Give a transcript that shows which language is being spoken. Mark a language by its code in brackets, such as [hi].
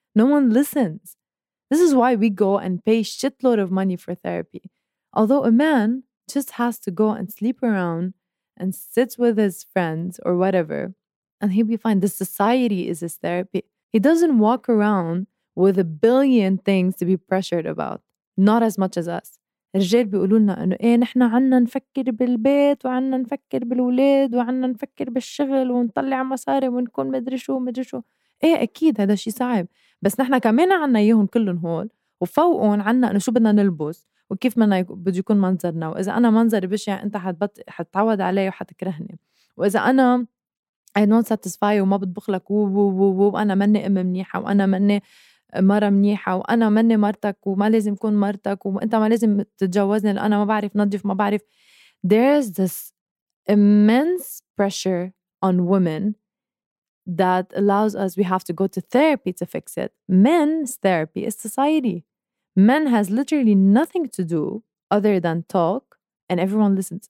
[en] No one listens. This is why we go and pay shitload of money for therapy. Although a man just has to go and sleep around and sit with his friends or whatever, and he'll be fine. The society is his therapy. He doesn't walk around with a billion things to be pressured about. Not as much as us. [ar] الرجال بيقولوا لنا انه ايه نحن عنا نفكر بالبيت وعنا نفكر بالولاد وعنا نفكر بالشغل ونطلع مصاري ونكون مدري شو مدري شو. ايه اكيد هذا شيء صعب. بس نحن كمان عنا إياهم كلهم هول وفوقهم عنا أنه شو بدنا نلبس وكيف بدنا بده يكون منظرنا. وإذا أنا منظري بشع أنت حتتعود علي وحتكرهني. وإذا أنا [en] I don't satisfy [ar] وما بطبخ لك وأنا مني أم منيحة وأنا مني مرة منيحة وأنا مني مرتك وما لازم يكون مرتك وأنت ما لازم تتجوزني لأنا ما بعرف نظف ما بعرف. [en] There's this immense pressure on women that allows us, we have to go to therapy to fix it. Men's therapy is society. Men has literally nothing to do other than talk and everyone listens.